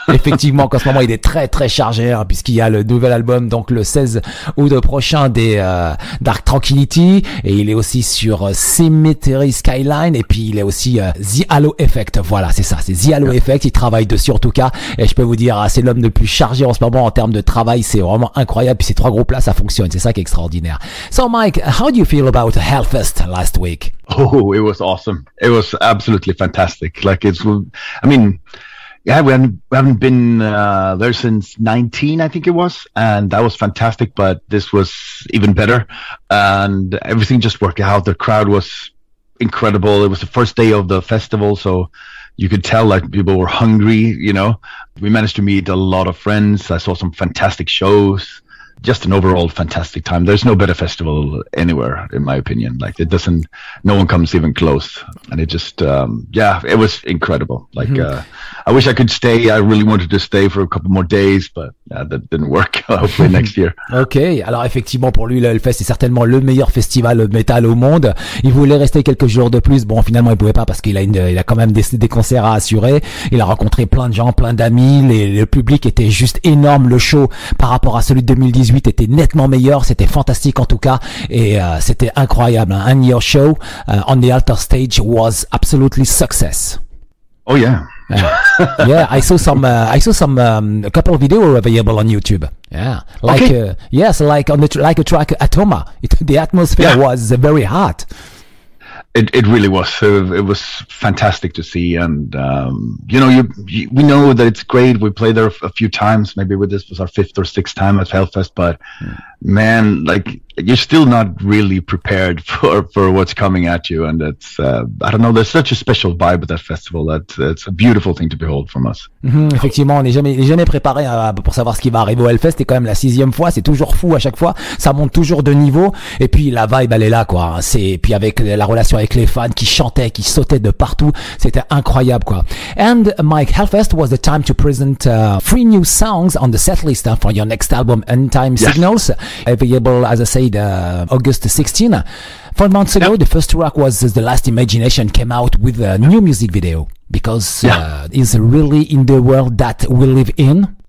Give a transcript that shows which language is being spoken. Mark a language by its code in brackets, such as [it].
[fr] Effectivement, en ce moment, il est très, très chargé, hein, puisqu'il y a le nouvel album, donc le 16 août prochain des Dark Tranquility, et il est aussi sur Cemetery Skyline, et puis il est aussi The Halo Effect. Voilà, c'est ça, c'est The Halo Effect. Il travaille dessus, en tout cas, et je peux vous dire, c'est l'homme le plus chargé en ce moment en termes de travail. C'est vraiment incroyable. Puis ces trois groupes-là, ça fonctionne. C'est ça qui est extraordinaire. [en] So, Mike, how do you feel about Hellfest last week? Oh, it was awesome. It was absolutely fantastic. Like, it's, I mean, yeah, we haven't been there since 19, I think it was, and that was fantastic, but this was even better, and everything just worked out. The crowd was incredible. It was the first day of the festival, so you could tell, like, people were hungry, you know. We managed to meet a lot of friends. I saw some fantastic shows. Just an overall fantastic time. There's no better festival anywhere, in my opinion. Like, it doesn't, no one comes even close. And it just, it was incredible. Like, I wish I could stay. I really wanted to stay for a couple more days, but that didn't work. Hopefully next year. Okay. [fr] Alors, effectivement, pour lui, le Hellfest est certainement le meilleur festival metal au monde. Il voulait rester quelques jours de plus. Bon, finalement, il pouvait pas parce qu'il a il a quand même des concerts à assurer. Il a rencontré plein de gens, plein d'amis. Le public était juste énorme. Le show par rapport à celui de 2018 était nettement meilleur, c'était fantastique en tout cas, et c'était incroyable. [en] And your show on the altar stage was absolutely success. Oh yeah. I saw some a couple of videos available on YouTube. Yeah, like, okay. Like a track Atoma, the atmosphere was very hot. It really was. It was fantastic to see. And, you know, we know that it's great. We played there a few times. Maybe this was our fifth or sixth time at Hellfest. But, man, like, you're still not really prepared for what's coming at you. And it's, I don't know, there's such a special vibe at that festival that it's a beautiful thing to behold from us. [fr] Mm-hmm, effectivement, on n'est jamais préparé pour savoir ce qui va arriver au Hellfest. C'est quand même la sixième fois. C'est toujours fou à chaque fois. Ça monte toujours de niveau. Et puis, la vibe, elle est là, quoi. Et puis, avec la relation avec les fans qui chantaient, qui sautaient de partout, c'était incroyable, quoi. [en] And Mike, Hellfest was the time to present three new songs on the setlist for your next album, End Time Signals, available, as I said, August 16. 4 months ago, the first track was The Last Imagination, came out with a new music video, because is really in the world that we live in.